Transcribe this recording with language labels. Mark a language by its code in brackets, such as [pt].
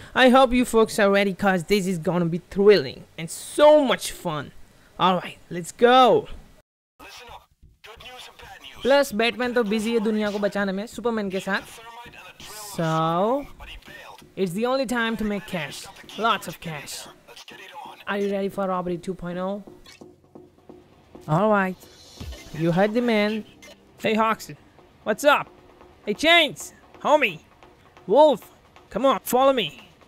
[en] I hope you folks are ready, cause this is gonna be thrilling and so much fun. Alright, let's go. [hi] Plus, Batman तो busy है दुनिया को बचाने में Superman के साथ. [en] So, it's the only time to make cash. Lots of cash. Are you ready for robbery 2.0? Alright. You heard the man. Hey, Hoxton. What's up? Hey, Chains! Homie! Wolf! Come on, follow me!